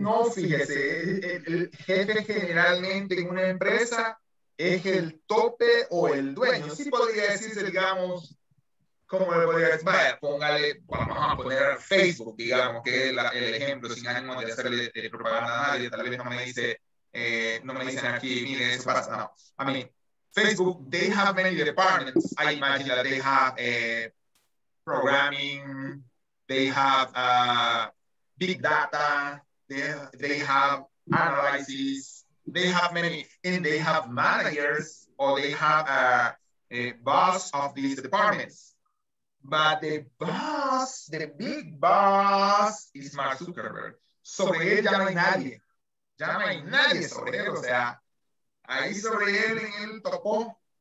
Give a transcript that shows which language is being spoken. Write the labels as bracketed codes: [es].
[es] No, fíjese, el jefe generalmente en una empresa es el tope o el dueño. Sí podría decirse, digamos, ¿cómo le podría decir? Vaya, póngale, vamos a poner Facebook, digamos, que es el ejemplo, sin ánimo de hacerle de propaganda a nadie, tal vez no me dicen aquí, mire, eso pasa, no. [en] I mean, Facebook, they have many departments. I imagine that they have programming, they have big data, they have analysis, they have many, and they have managers, or they have a boss of these departments. But the boss, the big boss, is Mark Zuckerberg. [es] Sobre él ya no hay nadie. Ya no hay nadie sobre él, o sea, ahí sobre él en el topo.